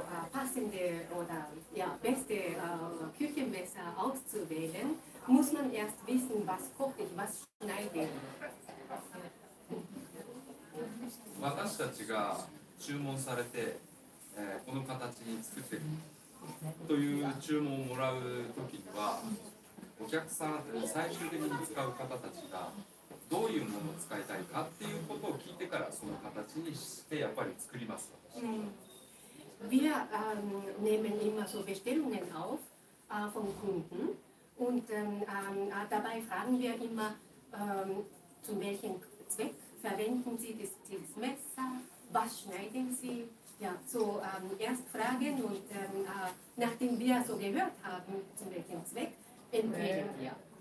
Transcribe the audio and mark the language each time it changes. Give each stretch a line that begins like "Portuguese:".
German: passende oder ja, beste Küchenmesser auszuwählen, muss man erst wissen, was koche ich, was schneide ich.
Japanese: 私たちが注文されて、この形に作ってるという注文をもらうときには、お客さん、最終的に使う方たちが、どういうものを使いたいかっていうことを聞いてからその形にしてやっぱり作ります。
German: Wir nehmen immer so Bestellungen auf von Kunden und dabei fragen wir immer, zu welchem Zweck verwenden Sie dieses Messer, was schneiden Sie? Ja, so erst fragen und nachdem wir so gehört haben, zu welchem Zweck, empfehlen wir.